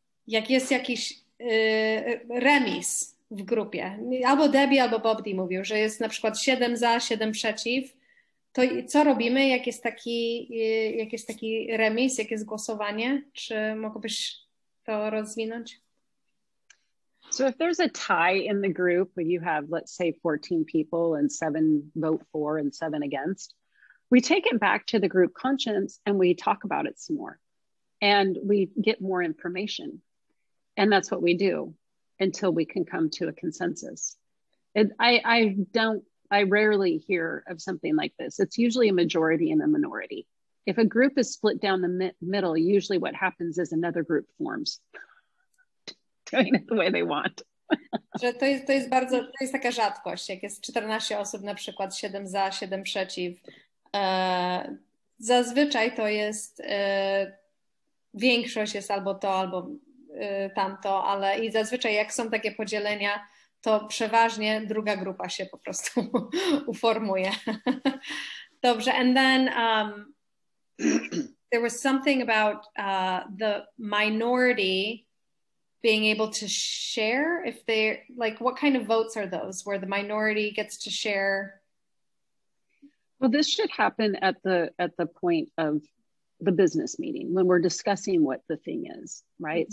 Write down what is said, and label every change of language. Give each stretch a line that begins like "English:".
Polish: jak jest jakiś remis w grupie, albo Debbie, albo Bobdi mówił, że jest na przykład 7 za, 7 przeciw, to co robimy, jak jest taki remis, jak jest głosowanie? Czy mógłbyś to rozwinąć?
English: So if there's a tie in the group, you have, let's say, 14 people and 7 vote for and 7 against, we take it back to the group conscience and we talk about it some more. And we get more information. And that's what we do until we can come to a consensus. And I rarely hear of something like this. It's usually a majority and a minority. If a group is split down the middle, usually what happens is another group forms. The way they want.
Polish: Że to jest bardzo, to jest taka rzadkość, jak jest 14 osób na przykład, 7 za, 7 przeciw. Zazwyczaj to jest, większość jest albo to, albo tamto, ale i zazwyczaj jak są takie podzielenia, to przeważnie druga grupa się po prostu uformuje. Dobrze,
English: and then there was something about the minority being able to share, if they, like, what kind of votes are those where the minority gets to share? Well, this should happen at the point of the business meeting when we're discussing what the thing is, right? Mm-hmm.